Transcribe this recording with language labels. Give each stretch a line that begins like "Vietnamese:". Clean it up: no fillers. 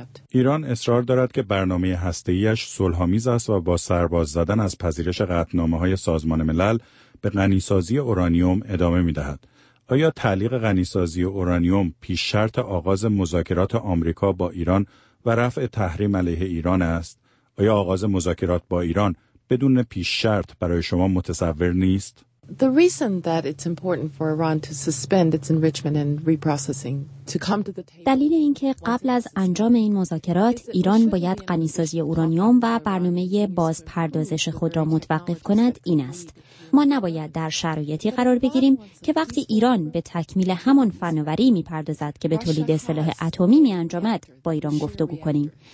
Persian: ایران اصرار دارد که برنامه هسته‌ای‌اش صلح‌آمیز است و با سرباز زدن از پذیرش قطعنامه‌های سازمان ملل به غنی‌سازی اورانیوم ادامه می‌دهد. آیا تعلیق غنی‌سازی اورانیوم پیش شرط آغاز مذاکرات آمریکا با ایران و رفع تحریم علیه ایران است؟ آیا آغاز مذاکرات با ایران بدون پیش شرط برای شما متصور نیست؟
English: The reason that it's important for Iran to suspend its enrichment and reprocessing to come to the table.
Persian: دلیل اینکه قبل از انجام این مذاکرات ایران باید غنی‌سازی اورانیوم و برنامه بازپردازش خود را متوقف کند این است. ما نباید در شرایطی قرار بگیریم که وقتی ایران به تکمیل همان فناوری می‌پردازد که به تولید سلاح اتمی می‌انجامد با ایران گفتگو کنیم.